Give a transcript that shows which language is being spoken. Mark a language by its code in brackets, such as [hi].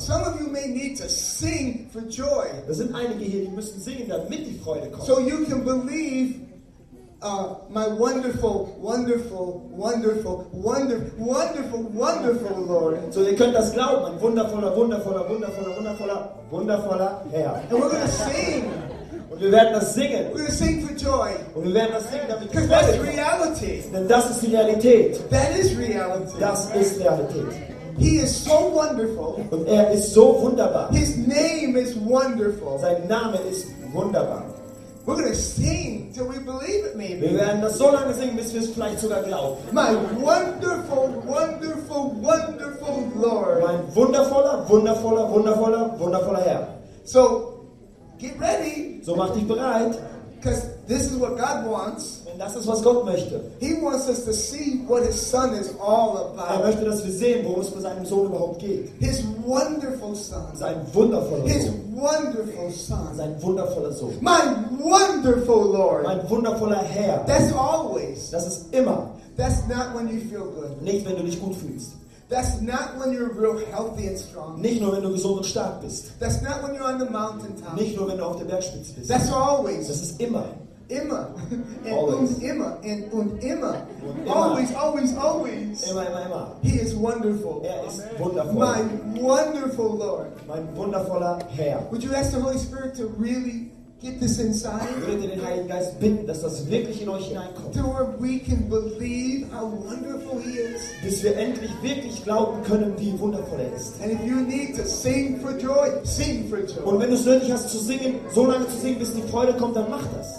[en] Some of you may need to sing for joy. [de] Da sind einige hier, die müssen singen, damit die Freude kommt. [en] So you can believe my wonderful, wonderful, wonderful, wonderful, wonderful, wonderful Lord. [de] So ihr könnt das glauben, ein wundervoller, wundervoller, wundervoller, wundervoller, wundervoller Herr. [en] And we're gonna sing. [de] Und wir werden das singen. [en] We're gonna sing for joy. [de] Und wir werden das singen, damit die Freude. [en] That's reality. [de] Denn das ist die Realität. [en] That is reality. [de] Das ist Realität. [en] He is so wonderful. [de] Und er ist so wunderbar. [en] His name is wonderful. [de] Sein Name ist wunderbar. [en] We're gonna sing till we believe it, maybe. [de] Wir werden das so lange singen, bis wir es vielleicht sogar glauben. [en] My wonderful, wonderful, wonderful Lord. [de] Mein wundervoller, wundervoller, wundervoller, wundervoller Herr. [en] So, get ready. [de] So mach dich bereit. [en] Because this is what God wants. [de] Denn das ist, was Gott möchte. [en] He wants us to see what His Son is all about. [de] Er möchte, dass wir sehen, worum es bei seinem Sohn überhaupt geht. [en] His wonderful Son. [de] Sein wundervoller Sohn. [en] His wonderful Son. [de] Sein wundervoller Sohn. [en] My wonderful Lord. [de] Mein wundervoller Herr. [en] That's always. [de] Das ist immer. [en] That's not when you feel good. [de] Nicht, wenn du dich gut fühlst. [en] That's not when you're real healthy and strong. [de] Nicht nur, wenn du gesund und stark bist. [en] That's not when you're on the mountaintop. [de] Nicht nur, wenn du auf der Bergspitze bist. [en] That's always. [de] Das ist immer. Immer. [en] Always. [de] Und immer. Und immer. Und immer. [en] Always, always, always. [de] Immer, immer, immer. [en] He is wonderful. [de] Er ist wundervoll. [en] My wonderful Lord. [de] Mein wundervoller Herr. [en] Would you ask the Holy Spirit to really get this inside? [de] Würdet ihr den Heiligen Geist bitten, dass das wirklich in euch hineinkommt? [en] To where we can believe how wonderful He is. [de] Bis wir endlich wirklich glauben können, wie wundervoll er ist. [en] And if you need to sing for joy, sing for joy. [de] Und wenn du es nötig hast zu singen, so lange zu singen, bis die Freude kommt, dann mach das.